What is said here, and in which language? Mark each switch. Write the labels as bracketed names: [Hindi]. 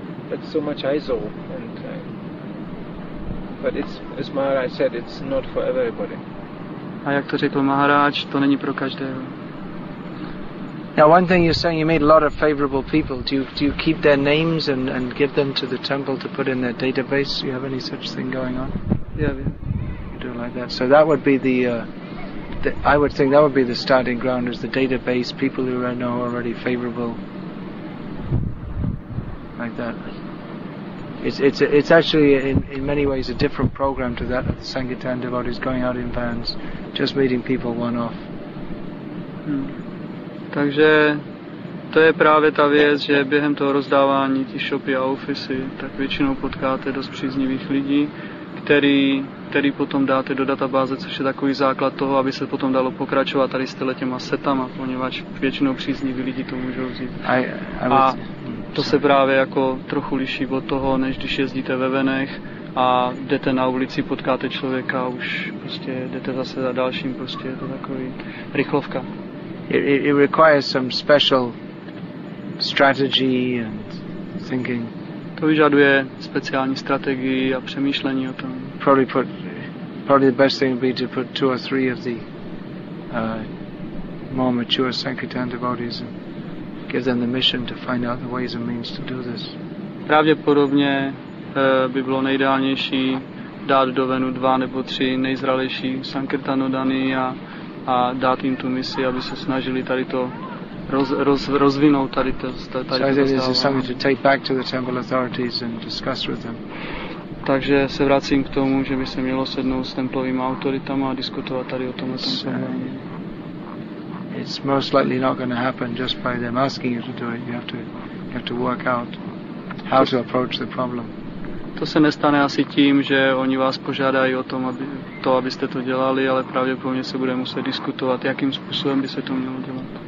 [English] But so much ISO and but it's as Maharaj said, it's not for everybody. [Czech] A jak to řekl Maharaj, to není pro každého. [English] Now one thing you're saying, you meet a lot of favorable people. Do you keep their names and give them to the temple to put in their database? Do you have any such thing going on? Yeah. You do like that. So that would be I would think that would be the starting ground, is the database, people who I know already favorable, like that. It's actually in many ways a different program to that of the Sankirtan devotees going out in vans, just meeting people one off. Hmm. [Czech] Takže to je právě ta věc, že během toho rozdávání ty shopy a ofisy, tak většinou potkáte dost příznivých lidí, který potom dáte do databáze, což je takový základ toho, aby se potom dalo pokračovat tady s těma setama, poněvadž většinou přízniví lidi to můžou vzít. A to se právě jako trochu liší od toho, než když jezdíte ve venech a jdete na ulici, potkáte člověka a už prostě jdete zase za dalším, prostě je to takový rychlovka. [English] It requires some special strategy and thinking. [Czech] To vyžaduje speciální strategii a přemýšlení o tom. [English] Probably the best thing would be to put two or three of the more mature Sankirtan devotees and give them the mission to find out the ways and means to do this. [Czech] Pravděpodobně by bylo nejideálnější dát do venu dva nebo tři nejzralejší Sankirtanodany a dát jim tu misi, aby se snažili tady to rozvinout tady to stávání. Takže se vracím k tomu, že by se mělo sednout s templovými autoritama a diskutovat tady o tomhle tom. [English] It's most likely not going to happen just by them asking you to do it. You have to work out how to approach the problem. [Czech] To se nestane asi tím, že oni vás požádají o tom, abyste to dělali, ale pravděpodobně se bude muset diskutovat, jakým způsobem by se to mělo dělat.